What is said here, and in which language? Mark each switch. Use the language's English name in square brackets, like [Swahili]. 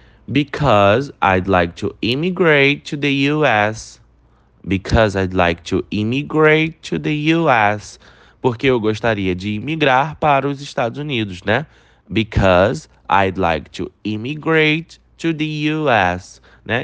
[English] Because I'd like to immigrate to the US. Because I'd like to immigrate to the US. [Portuguese] Porque eu gostaria de imigrar para os Estados Unidos, né? [English] Because I'd like to immigrate to the US, né?